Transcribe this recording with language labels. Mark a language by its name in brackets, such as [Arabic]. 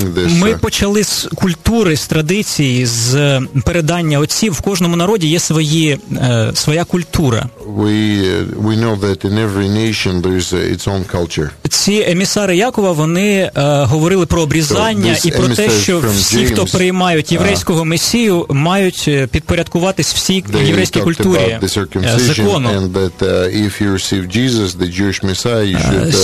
[Ukrainian] Ми почали з культури, з традиції, з передання отців. В кожному народі є своя культура. [English] We know that in every nation there's its own culture. [Ukrainian] Ці емісари Якова, вони говорили про обрізання і про те, що всі, хто приймають єврейського месію, мають підпорядкуватись всій єврейській культурі, закону. [English] And that if you receive Jesus, the Jewish Messiah, you should